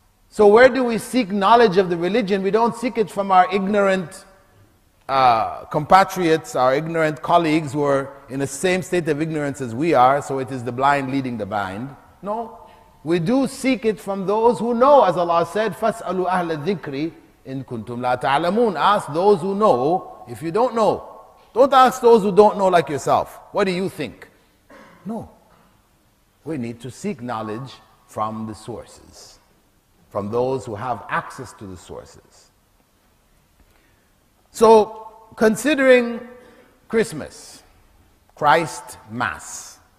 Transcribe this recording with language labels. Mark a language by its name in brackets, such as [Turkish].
[English] So where do we seek knowledge of the religion? We don't seek it from our ignorant compatriots, our ignorant colleagues who are in the same state of ignorance as we are. So it is the blind leading the blind. No, we do seek it from those who know. As Allah said, [Arabic] فَاسْأَلُوا أَهْلَ الذِّكْرِ إِن كُنْتُمْ لَا تَعْلَمُونَ. [English] Ask those who know. If you don't know, don't ask those who don't know like yourself. What do you think? No. We need to seek knowledge from the sources, from those who have access to the sources. So, considering Christmas, Christ Mass.